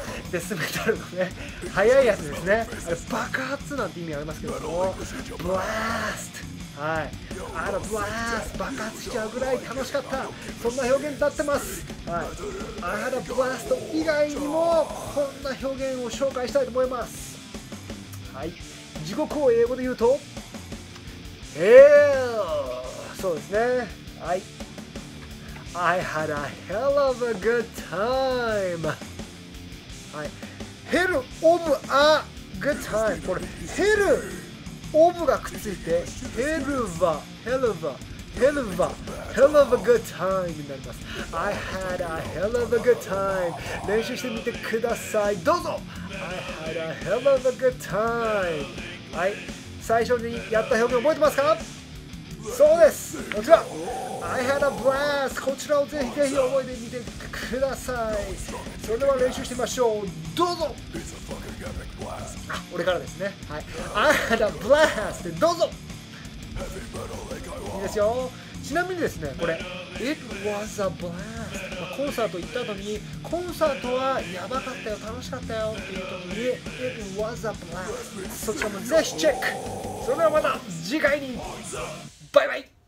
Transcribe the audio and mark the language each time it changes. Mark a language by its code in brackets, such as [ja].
[ja] デスメタルのね、早いやつですね。あれ爆発なんて意味がありますけども、ブラースト、はい、あのブラースト、爆発しちゃうぐらい楽しかった、そんな表現になってます。はい、あのブラースト以外にもこんな表現を紹介したいと思います。はい、地獄を英語で言うとヘル、そうですね。 [en] はい、 I had a hell of a good time。 [ja] はい、ヘルオブアグッタイム、これヘルオブがくっついてヘルバヘルバヘルバヘルバグッタイムになります。 [en] I had a hell of a good time。 [ja] 練習してみてください。どうぞ。 [en] I had a hell of a good time。 [ja] はい、最初にやった表現覚えてますか。そうです、こちら [en] I had a blast、 [ja] こちらをぜひぜひ覚えてみてください。それでは練習してみましょう。どうぞ。あ、俺からですね。 [en] はい、 I had a blast、 [ja] どうぞ。いいですよ。ちなみにですね、これ [en] It was a blast、 [ja] まあ、コンサート行った後にコンサートはやばかったよ、楽しかったよっていう時に [en] It was a blast、 [ja] そちらもぜひチェック。それではまた次回に。バイバイ。